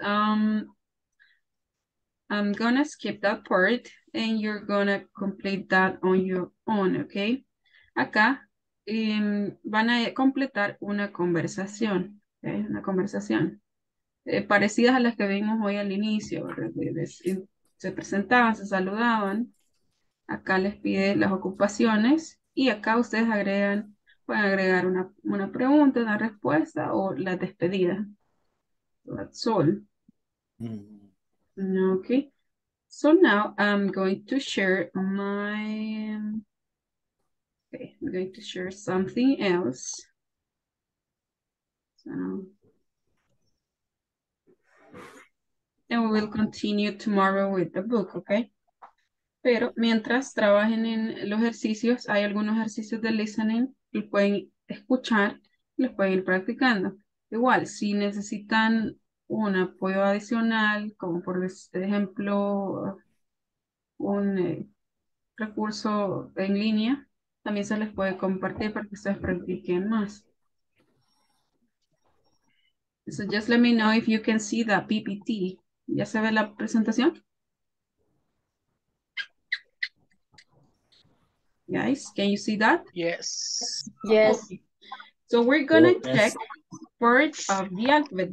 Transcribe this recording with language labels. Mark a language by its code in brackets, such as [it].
[en] I'm gonna skip that part and you're gonna complete that on your own, okay? [es] Acá van a completar una conversación, okay? Una conversación parecidas a las que vimos hoy al inicio, se presentaban, se saludaban. Acá les pide las ocupaciones y acá ustedes agregan, pueden agregar una pregunta, una respuesta o la despedida. [en] That's all. Okay, so now I'm going to share something else. So, and we will continue tomorrow with the book, okay? [es] Pero mientras trabajen en los ejercicios, hay algunos ejercicios de listening, los pueden escuchar, los pueden ir practicando. Igual, si necesitan un apoyo adicional, como por ejemplo un recurso en línea, también se les puede compartir para que ustedes practiquen más. [en] So just let me know if you can see the PPT. [es] ¿Ya se ve la presentación? [en] Guys, can you see that? Yes. Yes. Okay. So we're gonna check part of the alphabet.